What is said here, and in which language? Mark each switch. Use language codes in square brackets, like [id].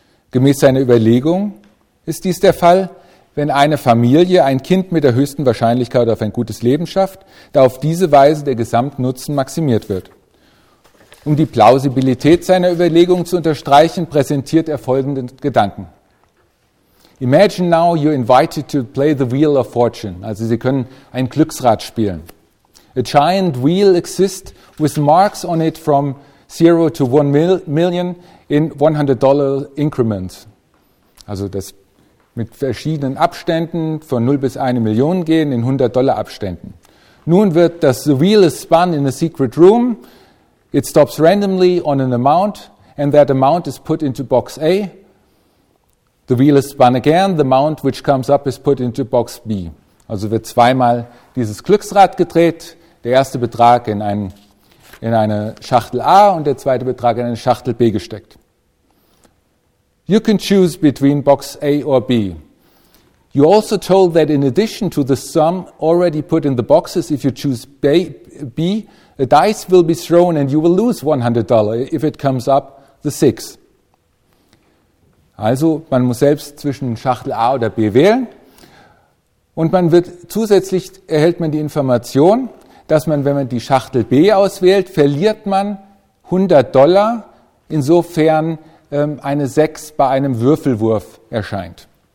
[de] Gemäß seiner Überlegung ist dies der Fall, wenn eine Familie ein Kind mit der höchsten Wahrscheinlichkeit auf ein gutes Leben schafft, da auf diese Weise der Gesamtnutzen maximiert wird. Um die Plausibilität seiner Überlegung zu unterstreichen, präsentiert er folgenden Gedanken. [en] Imagine now you're invited to play the Wheel of Fortune. [de] Also Sie können ein Glücksrad spielen. [en] A giant wheel exists with marks on it from 0 to 1 million in $100 increments. [de] Also das mit verschiedenen Abständen von 0 bis 1 Million gehen in $100 Abständen. Nun wird das [en] The Wheel is spun in a secret room. It stops randomly on an amount, and that amount is put into box A. The wheel is spun again, the amount which comes up is put into box B. [de] Also wird zweimal dieses Glücksrad gedreht, der erste Betrag in eine Schachtel A und der zweite Betrag in eine Schachtel B gesteckt. [en] You can choose between box A or B. You also told that in addition to the sum already put in the boxes, if you choose B, a dice will be thrown and you will lose $100 if it comes up the 6. [de] Also man muss selbst zwischen Schachtel A oder B wählen und man wird zusätzlich erhält man die Information, dass man, wenn man die Schachtel B auswählt, verliert man $100, insofern eine 6 bei einem Würfelwurf erscheint.